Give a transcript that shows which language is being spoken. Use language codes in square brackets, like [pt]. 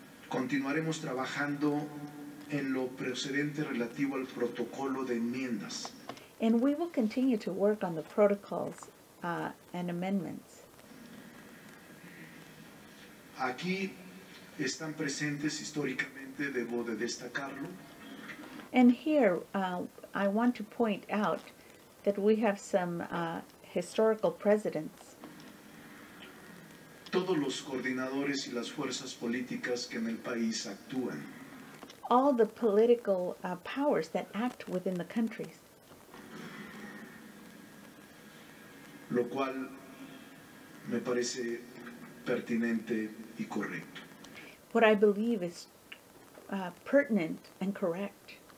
[es] continuaremos trabajando en lo precedente relativo al protocolo de enmiendas. [en] And we will continue to work on the protocols and amendments. [es] Aquí están presentes históricamente, debo de destacarlo. [en] And here, I want to point out that we have some historical presidents. [es] Todos los coordinadores y las fuerzas políticas que en el país actúan. [en] All the political powers that act within the countries. [es] Lo cual me parece pertinente y correcto. [en] What I believe is pertinent and correct.